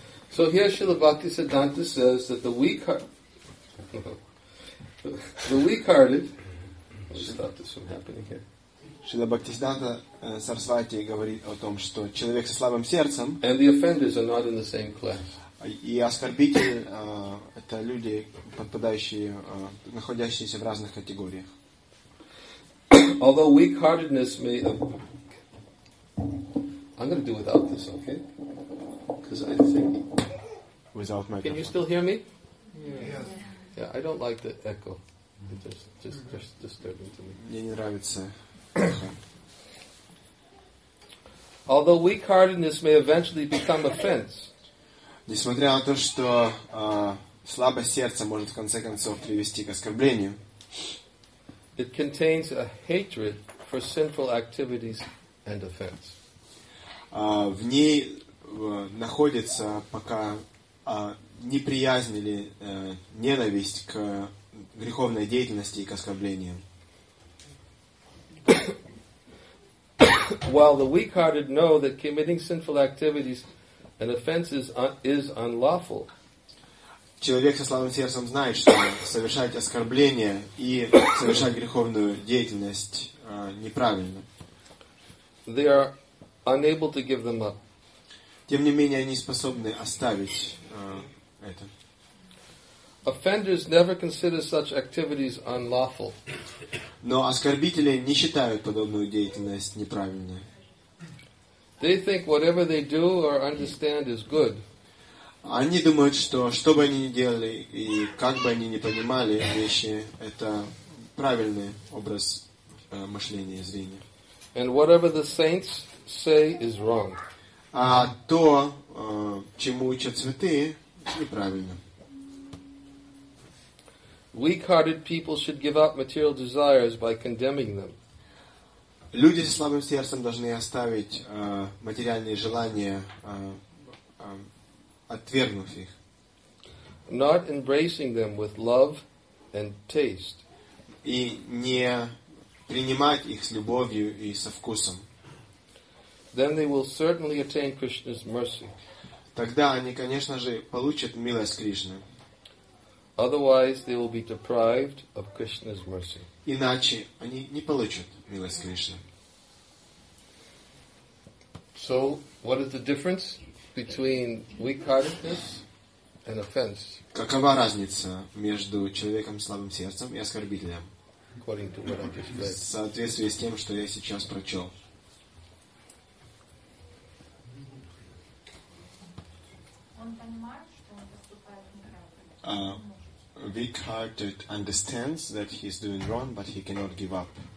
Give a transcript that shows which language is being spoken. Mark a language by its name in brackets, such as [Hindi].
[English] So here Śrīla Bhaktisiddhānta says that the weak-hearted. Let's stop this from happening here. [Russian] Шрила Бхактисиддханта Сарасвати говорит о том, что человек со слабым сердцем [English] and the offenders are not in the same class. [Russian] И оскорбители это люди, подпадающие, находящиеся в разных категориях. [English] Although weak-heartedness may... I'm going to do without this, okay? Because I think... Without my microphone. Can you still hear me? Yeah. Yeah, I don't like the echo. It's just disturbing to me. [Russian] Мне не нравится... [English] Although weak-heartedness may eventually become offense, [Russian] несмотря на то, что слабость сердца может в конце концов привести к оскорблению, [English] it contains a hatred for sinful activities and offense. [Russian] В ней находится пока неприязнь или ненависть к греховной деятельности и к оскорблению. [English] While the weak-hearted know that committing sinful activities and offenses is unlawful, [Russian] человек со слабым сердцем знает, что совершать оскорбления и совершать греховную деятельность неправильно. [English] They are unable to give them up. [Russian] Тем не менее, они способны оставить это. [English] Offenders never consider such activities unlawful. [Russian] Но оскорбители не считают подобную деятельность неправильной. [English] They think whatever they do or understand is good. [Russian] Они думают, что что бы они ни делали и как бы они ни понимали вещи, это правильный образ мышления и зрения. [English] And whatever the saints say is wrong. [Russian] А то, чему учат святые, неправильно. [English] Weak-hearted people should give up material desires by condemning them. [Russian] Люди со слабым сердцем должны оставить материальные желания, отвергнув их. [English] Not embracing them with love and taste. [Russian] И не принимать их с любовью и со вкусом. [English] Then they will certainly attain Krishna's mercy. [Russian] Тогда они, конечно же, получат милость Кришны. [English] Otherwise, they will be deprived of Krishna's mercy. [Russian] Иначе они не получат милость Кришны. [English] So, what is the difference between weak-heartedness and offense? [Russian] Какова разница между человеком с слабым сердцем и оскорбителем? [English] According to what I just read. [Russian] В соответствии с тем, что я сейчас прочел. Он понимает, что он поступает неправильно. [English] Weak-hearted understands that he is doing wrong, but he cannot give up.